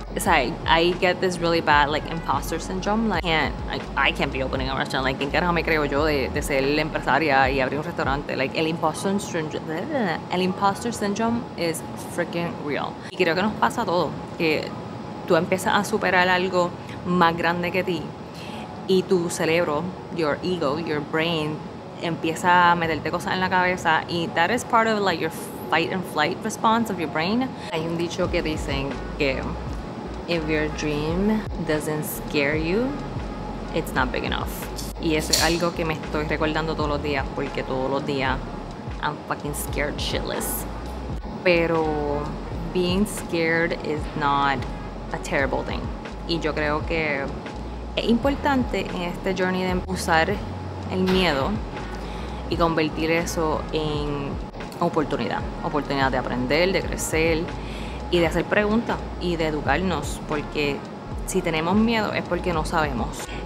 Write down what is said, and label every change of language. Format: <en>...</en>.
<en>It's like, I get this really bad like imposter syndrome. Like, I can't be opening a restaurant.</en> <es>Like, ¿en qué me creo yo de ser la empresaria y abrir un restaurante? Like, el</es> <en>imposter syndrome is freaking real.</en> <es>Y creo que nos pasa a todos. Que tú empiezas a superar algo más grande que ti. Y tu cerebro,</es> <en>your ego, your brain,</en> <es>empieza a meterte cosas en la cabeza.</es> <en>Y that is part of like your fight and flight response of your brain.</en> <es>Hay un dicho que dicen que</es> <en>if your dream doesn't scare you, it's not big enough.</en> <es>Y eso es algo que me estoy recordando todos los días, porque todos los días</es> <en>I'm fucking scared shitless. Pero being scared is not a terrible thing.</en> <es>Y yo creo que es importante en este journey de usar el miedo y convertir eso en oportunidad de aprender, de crecer y de hacer preguntas y de educarnos, porque si tenemos miedo es porque no sabemos.</es>